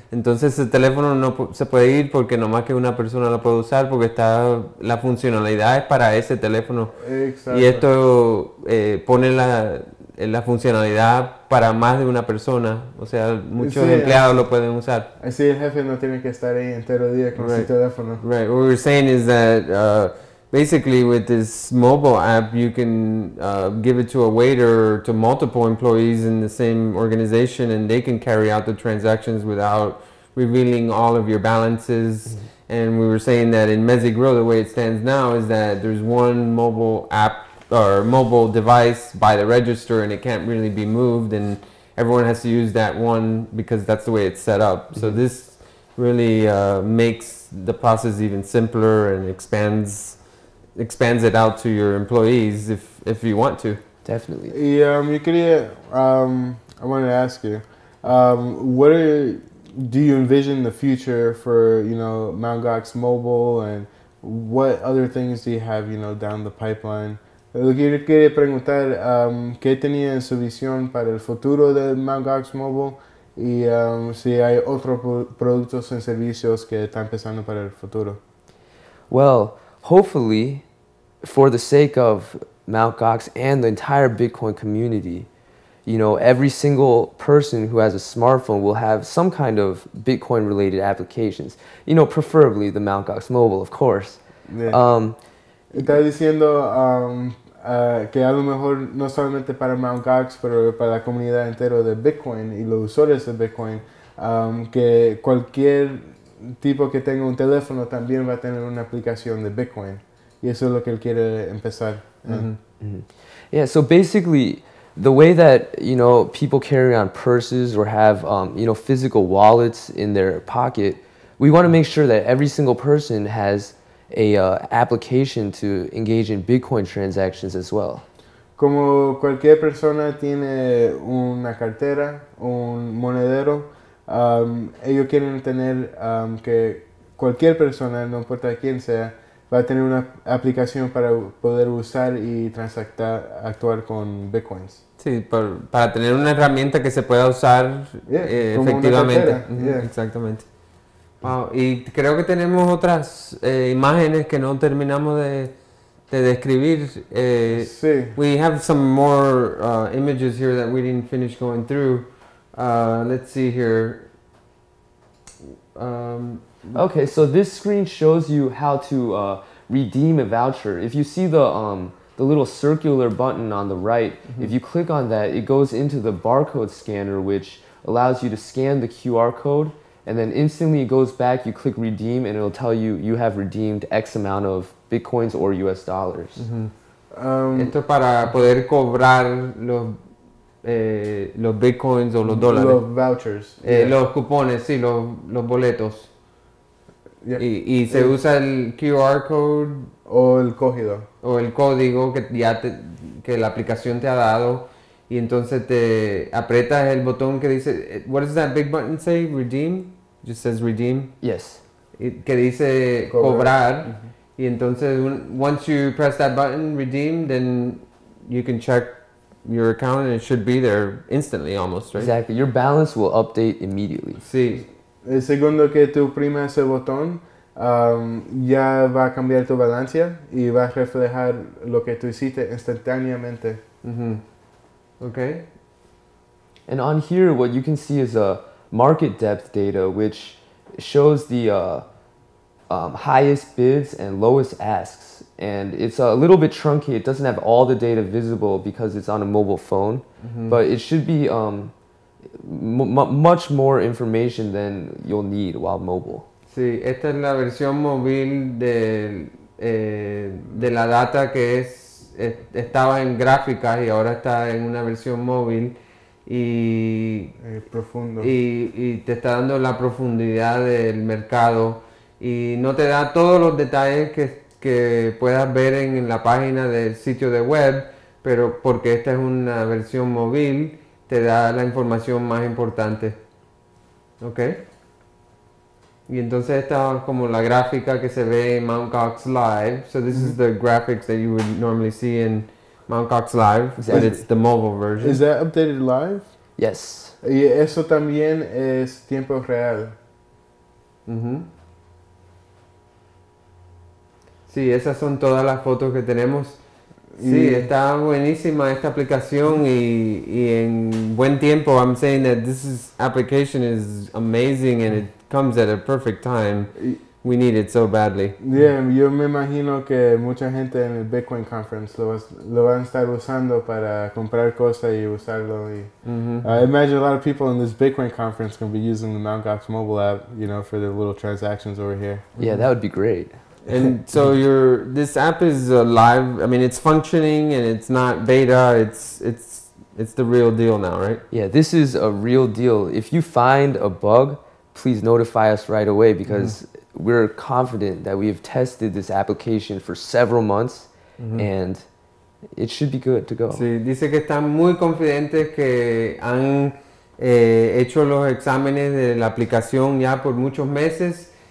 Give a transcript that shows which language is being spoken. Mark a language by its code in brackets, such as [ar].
[es] Entonces ese teléfono no se puede ir porque nomás que una persona lo puede usar, porque está la funcionalidad es para ese teléfono. Exacto. Y esto pone la funcionalidad para más de una persona. O sea, muchos empleados lo pueden usar. Así el jefe no tiene que estar ahí entero día con su teléfono. [en] Right. What we're saying is that basically, with this mobile app, you can give it to a waiter or to multiple employees in the same organization, and they can carry out the transactions without revealing all of your balances. And we were saying that in Messy Grill, the way it stands now is that there's one mobile app or mobile device by the register, and it can't really be moved, and everyone has to use that one because that's the way it's set up. So this really makes the process even simpler and expands it out to your employees if you want to. Definitely. [es] Y yo quería, [en] I wanted to ask you, What are, do you envision the future for, you know, Mt. Gox Mobile, and what other things do you have, you know, down the pipeline? [es] Lo que yo quería preguntar, ¿qué tenía en su visión para el futuro de Mt. Gox Mobile? Y si hay otros productos en servicios que están pensando para el futuro. [en] Well, hopefully, for the sake of Mt. Gox and the entire Bitcoin community, you know, every single person who has a smartphone will have some kind of Bitcoin-related applications. You know, preferably the Mt. Gox Mobile, of course. Yeah. [es] Está diciendo que a lo mejor no solamente para Mt. Gox, pero para la comunidad entera de Bitcoin y los usuarios de Bitcoin, que cualquier tipo que tenga un teléfono también va a tener una aplicación de Bitcoin. Y eso es lo que él quiere empezar. [en] Yeah, so basically, the way that, you know, people carry on purses or have, you know, physical wallets in their pocket, we want to make sure that every single person has a application to engage in Bitcoin transactions as well. [es] Como cualquier persona tiene una cartera, un monedero, ellos quieren tener que cualquier persona, no importa quién sea, va a tener una aplicación para poder usar y transactar, actuar con Bitcoins. Sí, para tener una herramienta que se pueda usar efectivamente. Exactamente. Wow. Y creo que tenemos otras imágenes que no terminamos de describir. Sí. [en] We have some more images here that we didn't finish going through. Let's see here. Okay, so this screen shows you how to redeem a voucher. If you see the little circular button on the right, mm-hmm. if you click on that, it goes into the barcode scanner, which allows you to scan the QR code, and then instantly it goes back, you click redeem, and it'll tell you you have redeemed X amount of bitcoins or US dollars. Mm-hmm. [es] Esto es para poder cobrar los bitcoins o los dólares. Los vouchers. Los cupones, sí, los boletos. Yeah. Y se usa el QR code. O el código. O el código que ya te, que la aplicación te ha dado. Y entonces te aprietas el botón que dice... [en] What does that big button say? Redeem? Just says redeem. Yes. [es] Que dice cobrar. [en] Mm-hmm. [es] Y entonces, [en] once you press that button, redeem, then you can check your account and it should be there instantly almost, right? Exactly. Your balance will update immediately. [es] Sí. El segundo que tú oprimas ese botón, ya va a cambiar tu balance y va a reflejar lo que tú hiciste instantáneamente. [en] Mm-hmm. Okay. And on here, what you can see is a market depth data, which shows the highest bids and lowest asks. And it's a little bit truncated. It doesn't have all the data visible because it's on a mobile phone. Mm-hmm. But it should be much more information than you'll need while mobile. [es] Sí, esta es la versión móvil de la data que es. Estaba en gráficas y ahora está en una versión móvil y profundo y te está dando la profundidad del mercado y no te da todos los detalles que puedas ver en la página del sitio de web, pero porque esta es una versión móvil te da la información más importante. Ok, y entonces esta como la gráfica que se ve en Mt. Gox Live. [en] So this mm-hmm. is the graphics that you would normally see in Mt. Gox Live, but it's the mobile version. Is that updated live? Yes. [es] Y eso también es tiempo real. Mm-hmm. Sí, esas son todas las fotos que tenemos. Sí, está buenísima esta aplicación y en buen tiempo. [en] I'm saying that this is, application is amazing and it comes at a perfect time. We need it so badly. [es] Yeah, yo me imagino que mucha gente en el Bitcoin Conference lo van a estar usando para comprar cosas y usarlo. Y, mm-hmm. [en] I imagine a lot of people in this Bitcoin Conference going to be using the Mt. Gox mobile app, you know, for their little transactions over here. Yeah, mm-hmm. that would be great. And so this app is live. I mean, it's functioning and it's not beta. It's the real deal now, right? Yeah, this is a real deal. If you find a bug, please notify us right away because mm-hmm. we're confident that we have tested this application for several months mm-hmm. and it should be good to go. [es] Sí, dice que están muy confidentes que han hecho los exámenes de la aplicación ya por muchos meses.